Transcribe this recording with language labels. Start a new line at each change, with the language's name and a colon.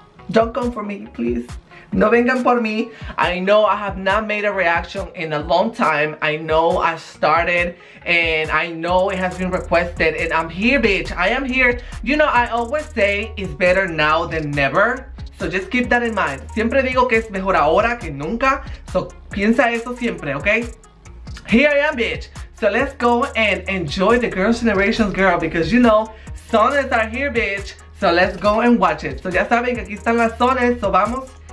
English: Don't come for me, please.
Spanish: No vengan por mí.
English: I know I have not made a reaction in a long time. I know I started and I know it has been requested and I'm here, bitch. I am here. You know, I always say it's better now than never. So just keep that in mind.
Spanish: Siempre digo que es mejor ahora que nunca.
English: So
Spanish: piensa eso siempre,
English: okay? Here I am, bitch. So let's go and enjoy the girls' generation, girl, because you know, sones are here, bitch. So let's go and watch it.
Spanish: So ya saben que aquí están las sones, so vamos.